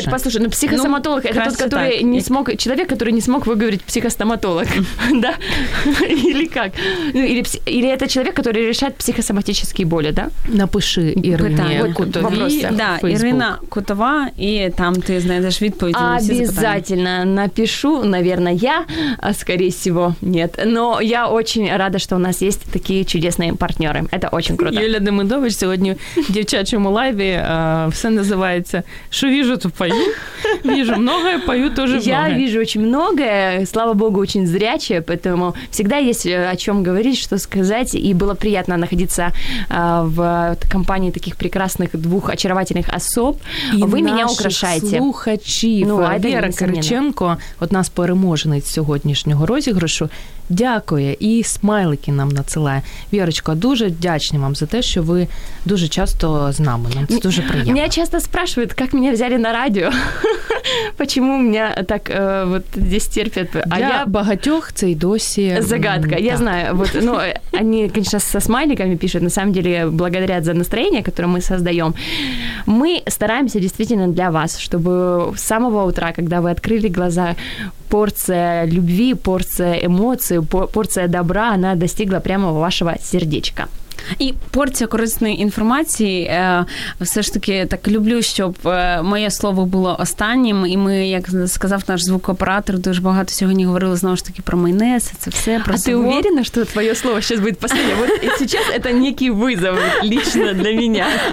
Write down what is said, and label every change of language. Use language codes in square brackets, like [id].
[uk] Ні, послухай, ну психосоматолог – це тот, який [ru] не смог, [uk] чоловік, який не смог виговорити психостоматолог. Да? Или як? Ну, или це чоловік, який рішає психосоматичні болі, да? Напиши Ірині Котовій. Да, Ірина Котова, і там ти знайдеш відповіді на всі запитання. [ru] Обязательно напишу, напевно, я, а скорее всего, нет. Но я очень рада, что у нас есть такие чудесные партнеры. Это очень круто. [uk] Юля Демидович сьогодні в дівчачому лайві все називається «Що вижу, то пою». [ru] Вижу многое, пою тоже многое. Я вижу очень многое, слава богу, очень зрячая, поэтому всегда есть о чем говорить, что сказать, и было приятно находиться в компании таких прекрасных двух очаровательных особ. И вы меня украшаете. [uk] И наших слухачів. Ну, Вера Карченко, от нас переможниць сьогоднішнього розіграшу, дякує і смайлики нам надсилає. Вірочка, дуже вдячні вам за те, що ви дуже часто з нами. Нам це дуже приємно. Мене часто спрашивают, як мене взяли на радіо. [ru] Почему меня так вот здесь терпят? [uk] А для багатьох це й досі загадка. [ru] Я знаю, вот, ну, они, конечно, со смайликами пишут, на самом деле, благодарят за настроение, которое мы создаем. Мы стараемся действительно для вас, чтобы с самого утра, когда вы открыли глаза, порция любви, порция эмоций, порция добра, она достигла прямо вашего сердечка. [uk] І порція корисної інформації, все ж таки, так люблю, щоб моє слово було останнім, і ми, як сказав наш звукооператор, дуже багато сьогодні говорили, знову ж таки, про майонез, це все, про А ти уверена, що твоє слово зараз буде останнє? Вот, і зараз це [ru] некий визов лично [uk] для мене.